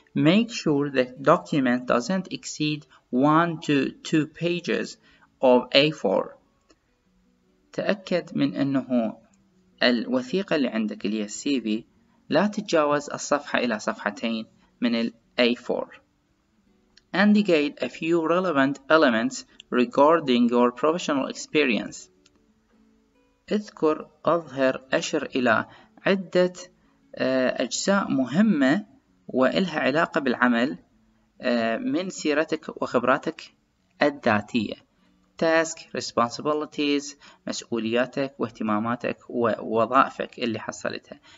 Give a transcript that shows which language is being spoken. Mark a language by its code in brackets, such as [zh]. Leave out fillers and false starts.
[en] Make sure the document doesn't exceed 1 to 2 pages of A4. [ar] تأكد من أنه الوثيقة اللي عندك اللي هي CV لا تتجاوز الصفحة إلى صفحتين من الـ A4. [en] Indicate a few relevant elements regarding your professional experience. [ar] اذكر أظهر أشر إلى عدة أجزاء مهمة وإلها علاقة بالعمل من سيرتك وخبراتك الذاتية. [en] Task, responsibilities, [ar] مسؤولياتك واهتماماتك ووظائفك اللي حصلتها.